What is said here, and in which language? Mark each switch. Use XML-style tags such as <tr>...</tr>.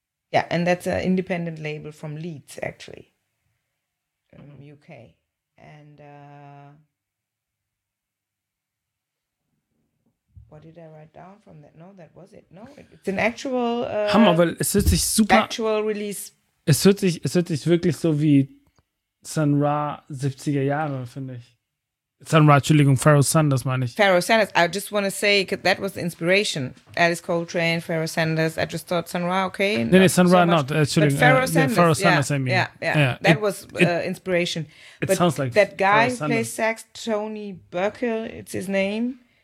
<en>Yeah, and that's an independent label from Leeds, actually, UK. And... what did I write down from that? No, that was it. No, it's an actual...</en> <de>Hammer, weil es hört sich super...</de> <en>Actual release.</en> <de>Es hört sich wirklich so wie Sun Ra 70er Jahre, finde ich. Sun Ra, Entschuldigung, Pharoah Sanders meine ich. Pharoah Sanders.</de> <en>I just want to say, that was the inspiration. Alice Coltrane, Pharoah Sanders. I just thought Sun Ra, okay.</en> <de>Nee, Sun Ra</de> <en>so not.</en> <de>Entschuldigung.</de> <en>But Pharoah Sanders. Pharoah Sanders, yeah, I mean. Yeah. That was inspiration. It sounds like that guy who plays sax, Tony Burkill, it's his name.</en>